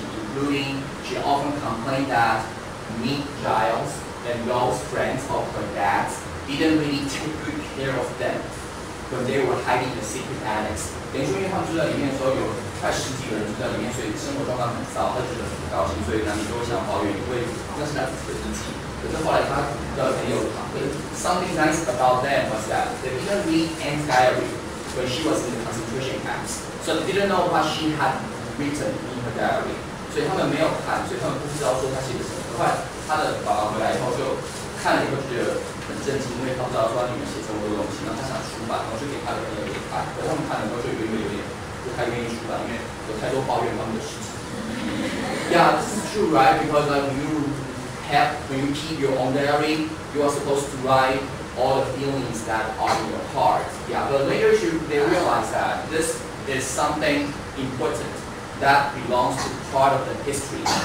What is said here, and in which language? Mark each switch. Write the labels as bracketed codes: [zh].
[en] Including, she often complained that Meet Giles and those friends of her dad didn't really take good care of them when they were hiding in the secret annex. [zh] 等于说，因为他们住在里面的时候，有快十几个人住在里面，所以生活状况很糟，他觉得很不高兴，所以难免都会想抱怨，因为那是他自己的日记。可可是后来他的朋友他会 [en] Something nice about them was that they didn't read Anne's diary when she was in the concentration camps. So they didn't know what she had written in her diary. [zh] 所以他们没有看，所以他们不知道说他写的什么。后来他的爸爸回来以后就看了以后就觉得很震惊，因为他不知道说他女儿写这么多东西，然后他想出版，然后就给他的朋友看。可他们看了以后就有点不太愿意出版，因为有太多抱怨他们的事情。 [en] Yeah, this is true, right? Because like when you keep your own diary, you are supposed to write all the feelings that are in your heart. Yeah, but later they realize that this is something important that belongs to part of the history.